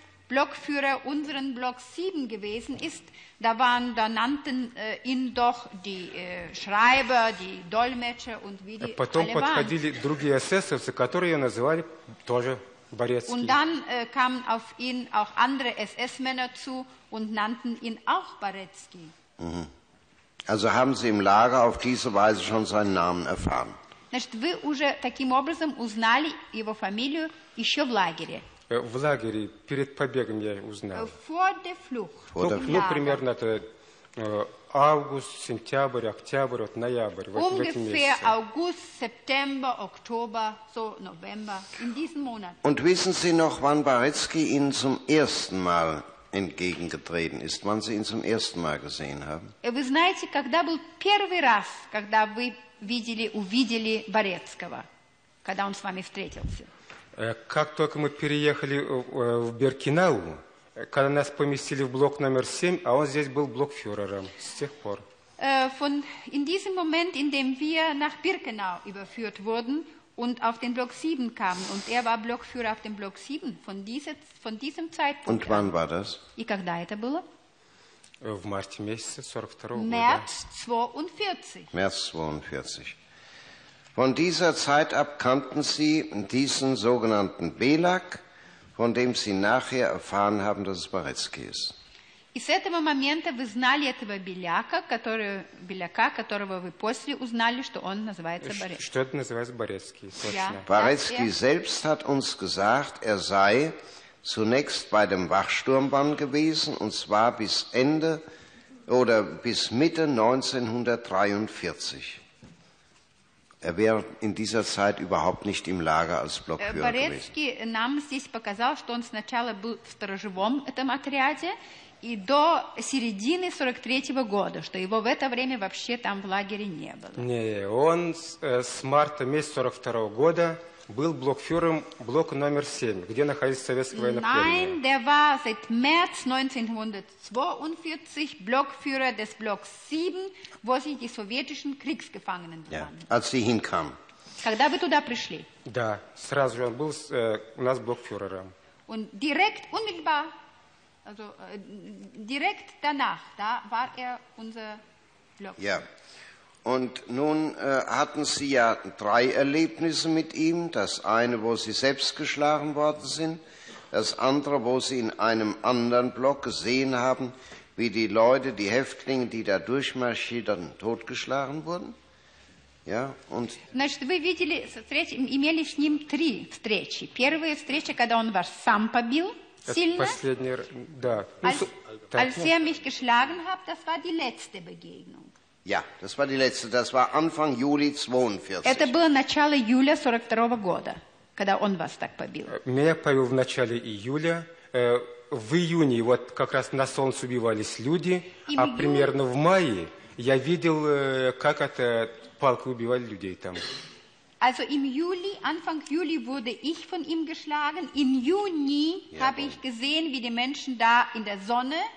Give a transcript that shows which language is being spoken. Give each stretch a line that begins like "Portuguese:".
German: Blockführer unseren Block 7 gewesen ist, da waren, da nannten ihn doch die Schreiber, die Dolmetscher und wie die
Russian: Потом
German: alle
Russian: подходили
German: waren.
Russian: Другие эсэсовцы, которые ее называли тоже Борецкий.
German: Und dann kamen auf ihn auch andere SS-Männer zu und nannten ihn auch Борецкий. Mhm. Also haben Sie im Lager auf diese Weise schon seinen Namen erfahren?
Russian: Значит, вы уже таким образом узнали его фамилию еще в лагере. В лагере перед побегом я узнал.
German: Vor der Flucht.
Russian: Ну, примерно это август, сентябрь, октябрь, вот ноябрь.
German: Ungefähr August, September, Oktober, so November, in diesem Monat. Und wissen Sie noch, wann Борецкий Ihnen zum ersten Mal entgegengetreten ist, wann Sie ihn zum ersten Mal gesehen haben?
Russian: Вы знаете, когда был первый раз, когда вы видели, увидели Борецкого, когда он с вами встретился? Как только мы переехали в Биркенау, когда нас поместили в блок номер 7, а он здесь был блокфюрером с тех пор.
German: In diesem Moment, in dem wir nach Birkenau überführt wurden und auf den Block 7 kamen, und war Blockführer auf dem Block 7, von diesem Zeitpunkt. Und wann war das?
Russian: И когда это было? В марте месяце 42-го года.
German: März 42. März 42. Von dieser Zeit ab kannten Sie diesen sogenannten Belak, von dem Sie nachher erfahren haben, dass es Борецкий ist.
Russian: Из этого момента вы знали этого Беляка, которого вы после узнали, что он называется Борецкий. Что это называется Борецкий?
German: Борецкий selbst hat uns gesagt, sei zunächst bei dem Wachsturmband gewesen, und zwar bis Ende oder bis Mitte 1943. Wäre in dieser Zeit überhaupt nicht im Lager als Blockführer Борецкий gewesen.
Russian: Нам здесь показал, что он сначала был в сторожевом этом отряде и до середины 43-го года, что его в это время вообще там в лагере не было. Не, он с марта месяца 42-го года был блокфюрером блока номер 7, где находится советское военное управление.
German: Nein, der war seit März 1942 Blockführer des Blocks 7, wo sich die sowjetischen Kriegsgefangenen befanden.
English: Yeah.
German: Als sie hinkamen.
Russian: Когда вы туда пришли? Да, сразу же он был у нас блокфюрером.
German: Und direkt, unmittelbar, also direkt danach, da war unser Blockführer. Yeah. Und nun hatten Sie ja drei Erlebnisse mit ihm. Das eine, wo Sie selbst geschlagen worden sind. Das andere, wo Sie in einem anderen Block gesehen haben, wie die Leute, die Häftlinge, die da durchmarschierten, totgeschlagen wurden. Ja, und
Russian: значит, вы видели, имели с ним три встречи. Первая встреча, когда он вас сам побил сильно. Последний, да.
German: Als ihr mich geschlagen habt, das war die letzte Begegnung. Ja, das war die letzte, das war Anfang Juli 42.
Russian: Это было начало июля 42 года, когда он вас так побил. Меня побил в начале июля. В июне вот как раз на солнце убивались люди, а примерно в мае я видел, как это палкой убивали людей там.
German: Also im Juli, Anfang Juli wurde ich von ihm geschlagen. Im Juni habe ich gesehen, wie die Menschen da in der Sonne